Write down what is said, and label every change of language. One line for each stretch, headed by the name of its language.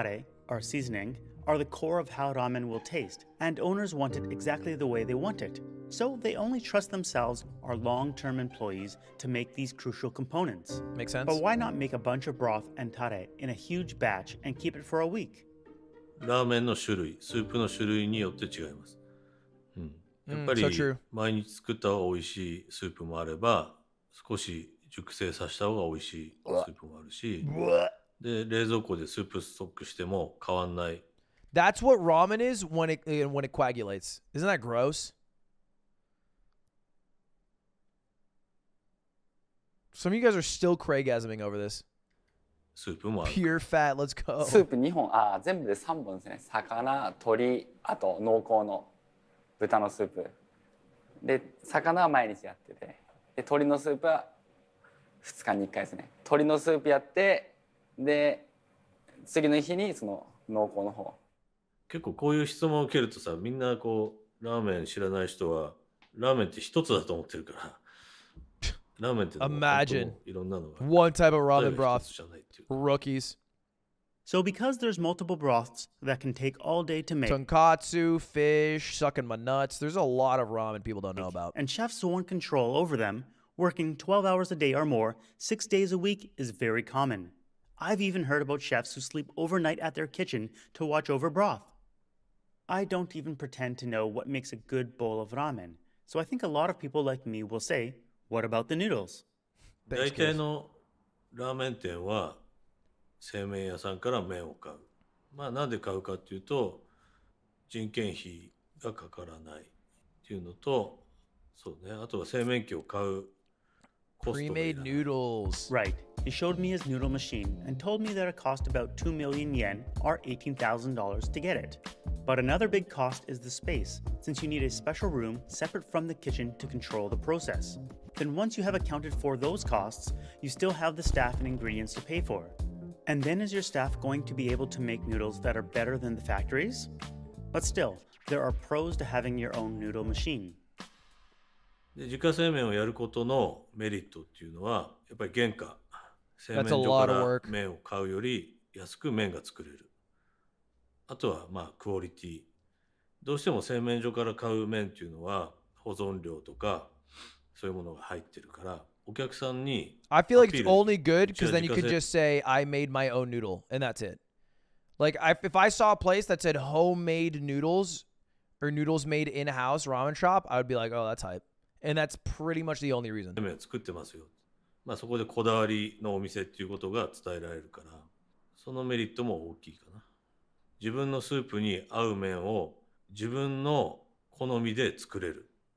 English: Tare our seasoning are the core of how ramen will taste and owners want it exactly the way they want it so they only trust themselves our long-term employees to make these crucial components makes sense but why not make a bunch of broth and tare in a huge batch and keep it for a week
Japanese: ラーメンの種類スープの種類によって違います、うん、やっぱり毎日作った方が美味しいスープもあれば少し熟成させた方が美味しいスープもあるしで、冷蔵庫でスープストックしても変わんない。
English: That's what ramen is when it coagulates. Isn't that gross? Some of you guys are still craigasming over this.
Japanese: スープもある。
English: Pure fat, let's go.
Japanese: スープ2本、ああ、全部で3本ですね。魚、鶏、あと濃厚の豚のスープ。で、魚は毎日やってて、で、鶏のスープは2日に1回ですね。鶏のスープやって、で、次の日にその濃厚の方。結構こういう質問を受けるとさ、みんなこう、ラーメン知らない人は、ラーメンって1つだと思ってるから。
English: Imagine one type of ramen broth. Rookies. So because there's multiple broths that can take all day to make. Tonkatsu, fish, sucking my nuts. There's a lot of ramen people don't know about. And chefs want control over them. Working 12 hours a day or more, 6 days a week is very common. I've even heard about chefs who sleep overnight at their kitchen to watch over broth. I don't even pretend to know what makes a good bowl of ramen. So I think a lot of people like me will say, What about the noodles?
Japanese: 大体のラーメン店は製麺屋さんから麺を買う。まあなんで買うかっていうと人件費がかからないっていうのと、そうね、あとは製麺機を買うコストが。
English: Pre-made noodles. Right. He showed me his noodle machine and told me that it cost about 2 million yen or $18,000 to get it. But another big cost is the space, since you need a special room separate from the kitchen to control the process. Then once you have accounted for those costs, you still have the staff and ingredients to pay for. And then is your staff going to be able to make noodles that are better than the factories? But still, there are pros to having your own noodle machine.
Japanese: で、自家製麺をやることのメリットっていうのは、やっぱり原価。製麺所から麺を買うより安く麺が作れる。あとは、まあ、クオリティ。どうしても製麺所から買う麺っていうのは、保存料とか、そういうものが入ってるから、お客さんに。
English: I feel like it's only good because then you could just say, I made my own noodle, and that's it. Like, if I saw a place that said homemade noodles, or noodles made in-house ramen shop, I would be like, oh, that's hype. And that's pretty much the only reason.
Japanese: 麺作ってますよ。まあそこでこだわりのお店っていうことが伝えられるから、そのメリットも大きいかな。自分のスープに合う麺を自分の好みで作れる。